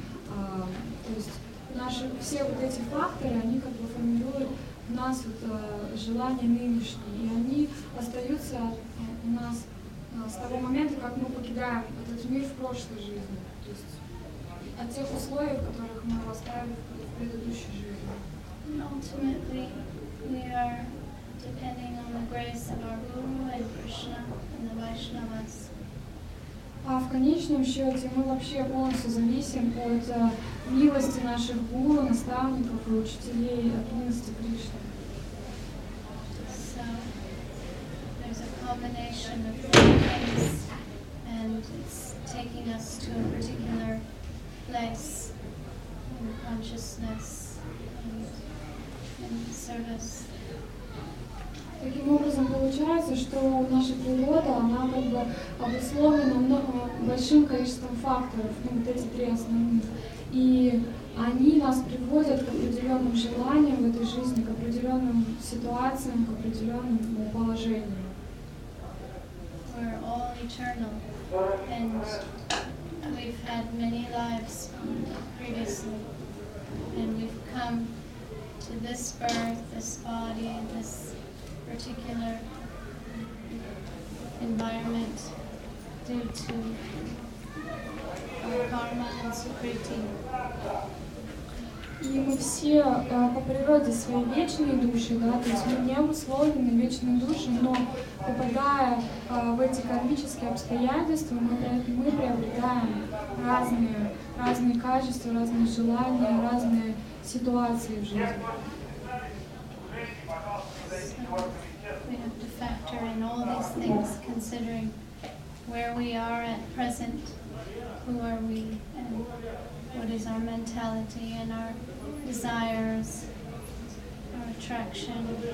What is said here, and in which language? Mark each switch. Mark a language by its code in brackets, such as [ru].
[ru] То есть наши, все вот эти факторы, они как бы формируют в нас вот желания нынешние, и они остаются у нас с того момента, как мы покидаем этот мир в прошлой жизни, то есть от тех условий, в которых мы его оставили в предыдущей жизни. [en] And ultimately, we are depending on the grace of our Guru and Krishna and the Vaishnavas. [ru] А в конечном счете мы вообще полностью зависим от милости наших гуру, наставников и учителей, от милости Кришны. [en] So, there's a combination of things, and it's taking us to a particular place. in consciousness and service. [ru] Таким образом получается, что наша природа, она как бы обусловлена много большим количеством факторов, ну вот эти три основных. И они нас приводят к определенным желаниям в этой жизни, к определенным ситуациям, к определенным положениям. [en] We're all eternal and we've had many lives previously. And we've come to this birth, this body, this particular environment due to our karma and sukriti. [ru] И мы все по природе свои вечные души, да, то есть мы не обусловлены вечной душой, но попадая в эти кармические обстоятельства, мы приобретаем разные качества, разные желания, разные ситуации в жизни. We have to factor in all these things, considering where we are at present, who are we, and what is our mentality and our desires, our attraction.